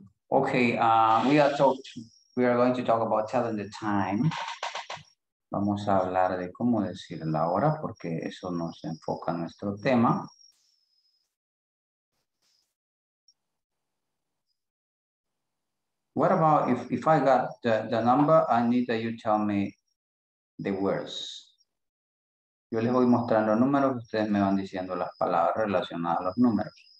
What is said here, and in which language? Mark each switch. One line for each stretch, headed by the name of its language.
English: Okay, we are going to talk about telling the time.
Spanish: Vamos a hablar de cómo decir la hora, porque eso nos enfoca en nuestro tema.
English: What about if I got the number, I need that you tell me the words.
Spanish: Yo les voy mostrando números, ustedes me van diciendo las palabras relacionadas a los números.